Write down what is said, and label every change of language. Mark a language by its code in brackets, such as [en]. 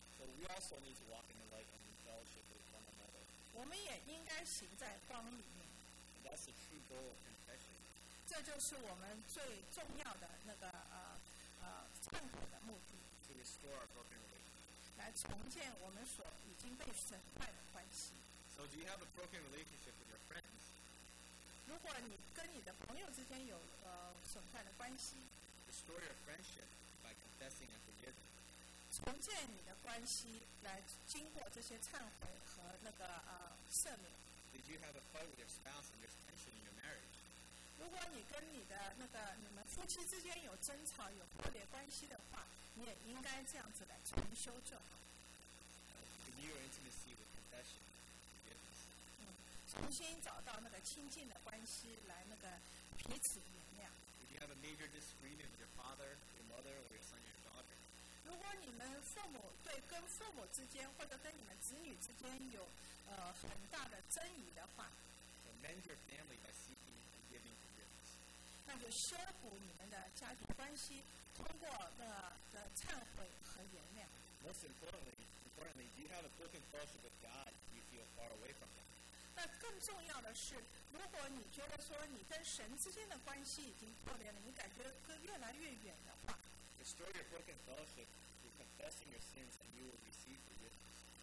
[en] So we also need to walk in the light and fellowship with one another. [zh] 我们也应该行在光里面。 [en] And that's the true goal of confession. [zh] 这就是我们最重要的那个忏悔的目的。 [en] To restore our broken relationship. [zh] 来重建我们所已经被损坏的关系。 [en] So do you have a broken relationship with your friends? [zh] 如果你跟你的朋友之间有损坏的关系。 [en] Restore your friendship by confessing and forgiving. [zh] 重建你的关系，来经过这些忏悔和那个赦免。 [en] Did you have a fight with your spouse and there's tension in your marriage? [zh] 如果你跟你的那个你们夫妻之间有争吵、有破裂关系的话，你也应该这样子来重修就好。 [en] Renew your intimacy with confession. [zh] 重新找到那个亲近的关系，来那个彼此原谅。 [en] Did you have a major disagreement with your father, your mother, or your son, your daughter. [zh] 如果你们父母对跟父母之间或者跟你们子女之间有很大的争议的话, [en] then mend your family by seeking and giving forgiveness. [zh] 那就修补你们的家庭关系，通过忏悔和原谅. [en] Most importantly, do you have a broken fellowship with God? Do you feel far away from Him? [zh] 那更重要的是，如果你觉得说你跟神之间的关系已经破裂了，你感觉越来越远的话. [en] Restore your broken fellowship through confessing your sins, and you will receive forgiveness.